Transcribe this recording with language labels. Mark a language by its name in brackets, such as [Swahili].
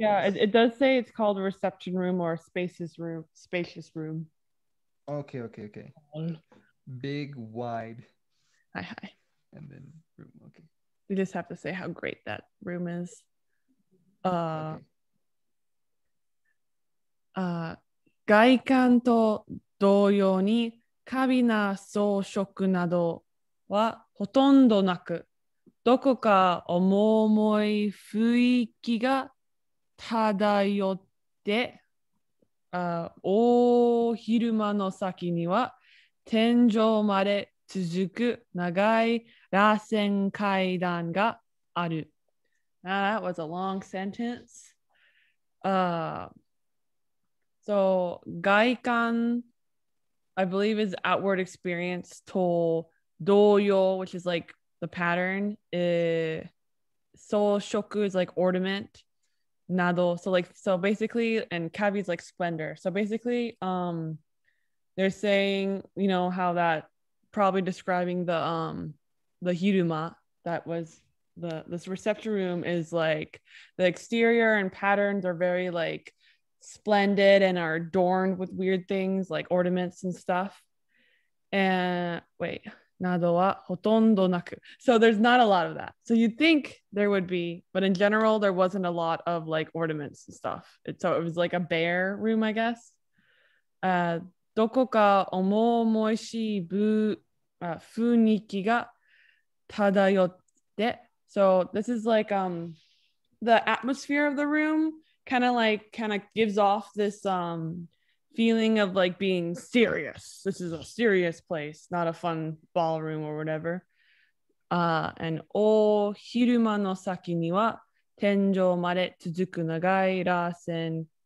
[English] Yeah, it does say it's called a reception room or spacious room. Okay. Big, wide. Hi. And then room. Okay. We just have to say how great that room is. Okay. [Japanese] 外観と同様に、華美な装飾などはほとんどなく。どこか重い雰囲気が漂って、大昼間の先には天井まで続く長い螺旋階段がある。 [English] Now that was a long sentence. So, 外観 I believe is outward experience [Japanese] と同様 [English] which is like,The pattern, soshoku is like ornament, nado, so basically, and kabi is like splendor. So basically, they're saying, you know, how that probably describing the hiruma, that was this reception room is like, the exterior and patterns are very like splendid and are adorned with weird things like ornaments and stuff. And wait. [Japanese] などはほとんどなく. [English] So there's not a lot of that. So you'd think there would be, but in general, there wasn't a lot of like ornaments and stuff. So it was like a bare room, I guess. [Japanese] どこか重々しい雰囲気が漂って. [English] So this is like the atmosphere of the room kind of gives off this feeling of like being serious. This is a serious place, not a fun ballroom or whatever. And [Japanese] o hiruma no saki ni wa tenjo made tsuzuku nagai rasen.